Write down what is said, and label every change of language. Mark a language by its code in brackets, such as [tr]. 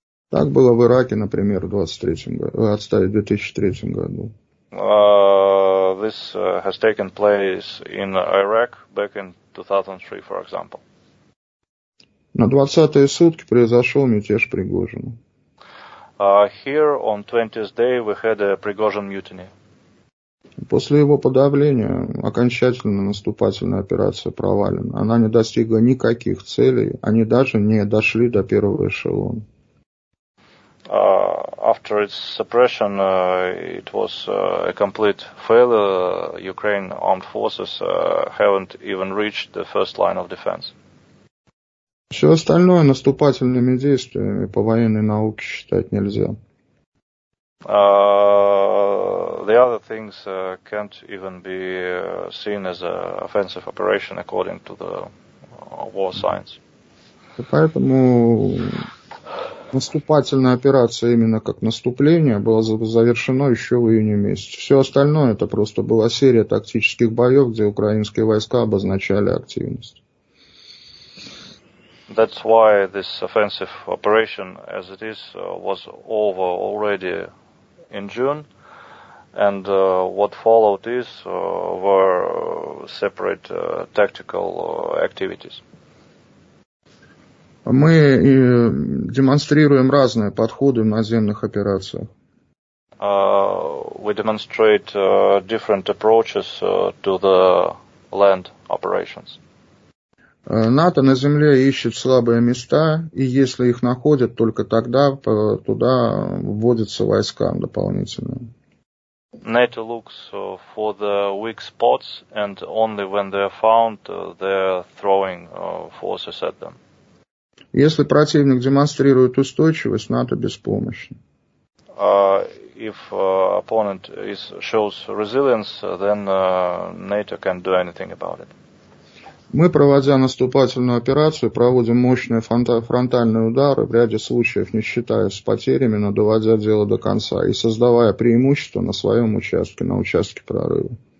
[ru] Так было в Ираке, например, в 2003 году. [en] This has taken place in Iraq back in 2003, for example. [ru] На 20-е сутки произошел мятеж Пригожина. [en] Here on 20th day we had a Prigozhin mutiny. [ru] После его подавления окончательно наступательная операция провалена. Она не достигла никаких целей, они даже не дошли до первого эшелона. [en] After its suppression, it was a complete failure. Ukraine armed forces haven't even reached the first line of defense. [ru] Все остальное наступательными действиями по военной науке считать нельзя. [en] The other things can't even be seen as an offensive operation according to the war science. [ru] Поэтому... Наступательная операция именно как наступление была завершена еще в июне месяце. Все остальное это просто была серия тактических боев, где украинские войска обозначали активность. [en] That's why this offensive operation, as it is, was over already in June, And what followed is were separate tactical activities. [ru] Мы демонстрируем разные подходы в наземных операциях. [en] We demonstrate different approaches to the land operations. [ru] НАТО на земле ищет слабые места, и если их находят, только тогда туда вводятся войска дополнительно. [en] NATO looks for the weak spots, and only when they are found, they're throwing forces at them. [ru] Если противник демонстрирует устойчивость, НАТО беспомощен. [en] If opponent is, shows resilience, then NATO can't do anything about it. [ru] Мы, проводя наступательную операцию, проводим мощные фронтальные удары, в ряде случаев не считаясь с потерями, но доводя дело до конца и создавая преимущество на своем участке, на участке прорыва.